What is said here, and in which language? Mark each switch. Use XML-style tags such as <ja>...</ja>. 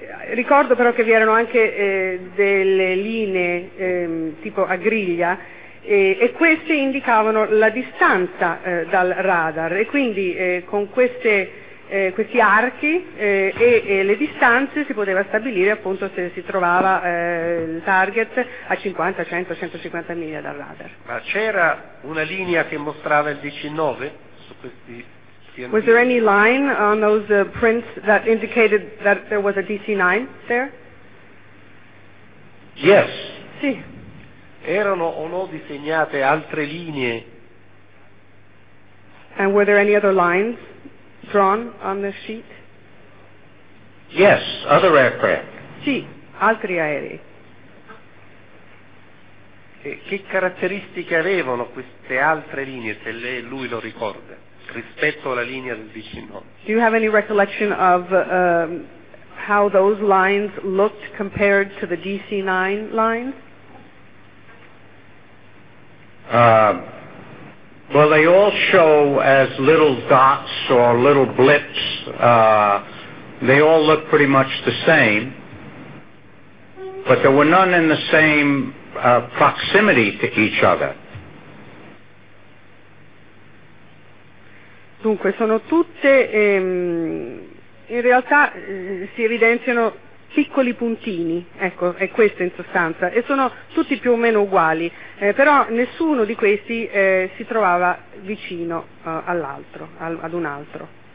<it>Ricordo però che vi erano anche delle linee tipo a griglia, e queste indicavano la distanza dal radar, e quindi con queste... questi archi e le distanze si poteva stabilire appunto se si trovava il target a 50, 100, 150 miglia dal radar. Ma c'era una linea che mostrava il 19 su questi pianeti?</it> <en>Was there any line on those prints that indicated that there was a DC-9 there? Yes.</en> <it>Sì. Erano o no disegnate altre linee?</it> <en>And were there any other lines drawn on the sheet? Yes, other aircraft.</en> <it>Sì, altri aerei. Che caratteristiche avevano queste altre linee, se lui lo ricorda, rispetto alla linea del DC-9?</it> <en>Do you have any recollection of how those lines looked compared to the DC-9 lines? Well, they all show as little dots or little blips. They all look pretty much the same. But there were none in the same proximity to each other.</en> <it>Dunque, sono tutte, in realtà si evidenziano piccoli puntini, ecco, è questo in sostanza, e sono tutti più o meno uguali, però nessuno di questi si trovava vicino all'altro, ad un altro.</it>